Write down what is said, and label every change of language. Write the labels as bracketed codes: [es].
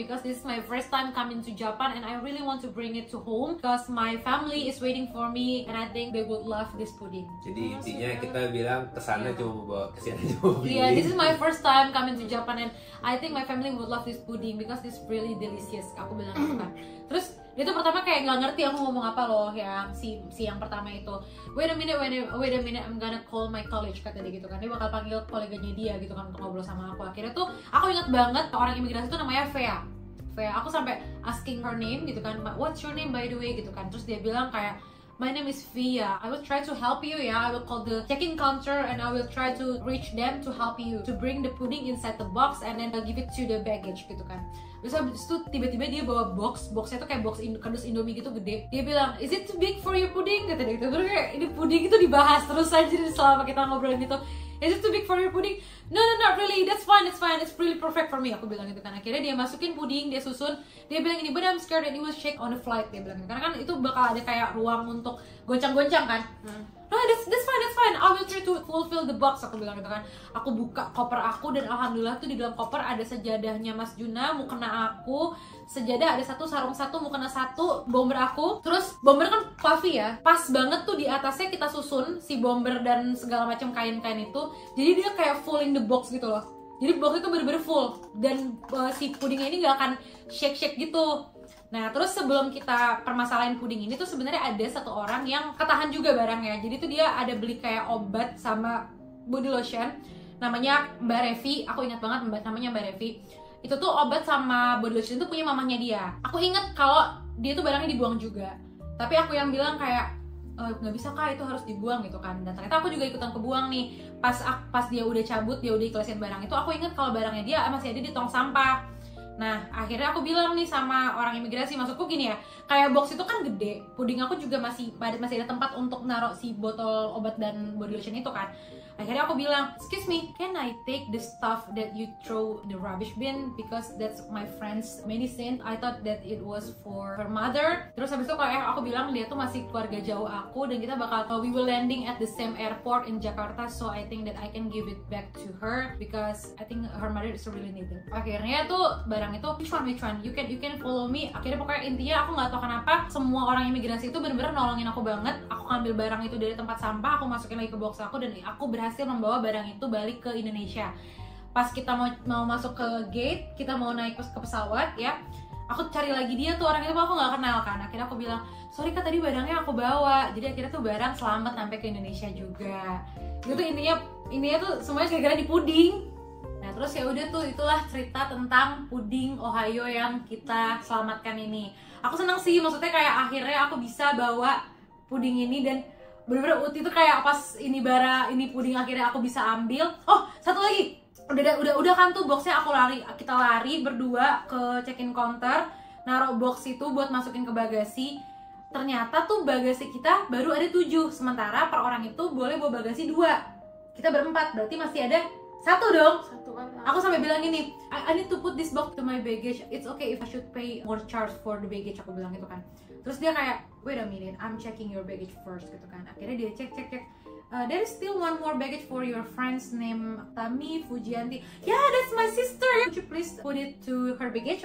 [en] Because this is my first time coming to Japan and I really want to bring it to home because my family is waiting for me and I think they would love this pudding. [id] Jadi intinya kita bilang kesana cuma bawa, kesana cuma [en] pudding. Yeah, this is my first time coming to Japan and I think my family would love this pudding because it's really delicious. [id] Aku bilang gitu kan. Terus itu pertama kayak nggak ngerti aku ngomong apa loh yang si yang pertama itu. [en] Wait a minute, I'm gonna call my college, [id] kata dia gitu kan. Dia bakal panggil koleganya dia gitu kan untuk ngobrol sama aku. Akhirnya tuh aku ingat banget orang imigrasi itu namanya Fea. Aku sampai [en] asking her name [id] gitu kan. [en] What's your name by the way gitu kan. [id] Terus dia bilang kayak [en] my name is Fea. I will try to help you ya. I will call the check-in counter and I will try to reach them to help you to bring the pudding inside the box and then give it to the baggage [id] gitu kan. Terus abis itu tiba-tiba dia bawa box, boxnya tuh kayak box kardus Indomie gitu gede. Dia bilang, is it too big for your pudding? Kata dia gitu. Terus kayak ini pudding itu dibahas terus aja selama kita ngobrolin itu. [en] Is it too big for your pudding? No, not really, that's fine, it's really perfect for me. [id] Aku bilang gitu kan. Akhirnya dia masukin puding, dia susun. Dia bilang ini, [en] but I'm scared that it will shake on the flight. [id] Dia bilang gitu. Karena kan itu bakal ada kayak ruang untuk goncang-goncang kan. [en] No, that's fine, I will try to fulfill the box. [id] Aku bilang gitu kan. Aku buka koper aku dan alhamdulillah tuh di dalam koper ada sejadahnya Mas Juna, mukena aku. Sejadah ada satu, sarung satu, mukena satu, bomber aku. Terus bomber kan puffy ya, pas banget tuh di atasnya kita susun si bomber dan segala macam kain-kain itu. Jadi dia kayak [en] full in the box [id] gitu loh. Jadi box itu bener-bener full. Dan si pudingnya ini gak akan shake-shake gitu. Nah, terus sebelum kita permasalahin puding ini tuh sebenarnya ada satu orang yang ketahan juga barangnya. Jadi tuh dia ada beli kayak obat sama body lotion. Namanya Mbak Revi, aku ingat banget namanya Mbak Revi. Itu tuh obat sama body lotion itu punya mamanya dia. Aku ingat kalau dia tuh barangnya dibuang juga. Tapi aku yang bilang kayak enggak bisa kak, itu harus dibuang gitu kan. Dan ternyata aku juga ikutan kebuang nih. Pas dia udah cabut, dia udah ikhlasin barang itu, aku ingat kalau barangnya dia masih ada di tong sampah. Nah, akhirnya aku bilang nih sama orang imigrasi, maksudku gini ya, kayak box itu kan gede, puding aku juga masih ada tempat untuk naruh si botol obat dan body lotion itu kan. Akhirnya aku bilang, [en] excuse me, can I take the stuff that you throw in the rubbish bin? Because that's my friend's medicine, I thought that it was for her mother. [id] Terus habis itu kayak aku bilang, dia tuh masih keluarga jauh aku dan kita bakal, [en] we were landing at the same airport in Jakarta, so I think that I can give it back to her because I think her mother is really needed. [id] Akhirnya tuh barang itu, [en] which one, you can follow me. [id] Akhirnya pokoknya intinya aku gak tahu kenapa semua orang imigrasi itu benar-benar nolongin aku banget. Aku ambil barang itu dari tempat sampah, aku masukin lagi ke box aku dan aku berhasil membawa barang itu balik ke Indonesia. Pas kita mau masuk ke gate, kita mau naik ke pesawat ya, aku cari lagi dia tuh orang itu, aku gak kenal kan. Akhirnya aku bilang, sorry kak tadi barangnya aku bawa. Jadi akhirnya tuh barang selamat sampai ke Indonesia juga. Itu intinya tuh semuanya gara-gara di puding. Nah, terus ya udah tuh itulah cerita tentang puding Ohio yang kita selamatkan ini. Aku seneng sih, maksudnya kayak akhirnya aku bisa bawa puding ini dan bener-bener Uti tuh kayak pas ini puding akhirnya aku bisa ambil. Oh, satu lagi. Udah kan tuh boxnya aku lari, kita lari berdua ke check-in counter, naruh box itu buat masukin ke bagasi. Ternyata tuh bagasi kita baru ada 7, sementara per orang itu boleh bawa bagasi 2. Kita berempat, berarti masih ada satu dong. Satu kan. Aku sampai bilang gini, [en] I need to put this box to my baggage. It's okay if I should pay more charge for the baggage. [id] Aku bilang gitu kan. Terus dia kayak, [en] wait a minute, I'm checking your baggage first [id] gitu kan. Akhirnya dia cek. [en] There is still one more baggage for your friend's name Tami Fujianti. Yeah, that's my sister. Could you please put it to her baggage?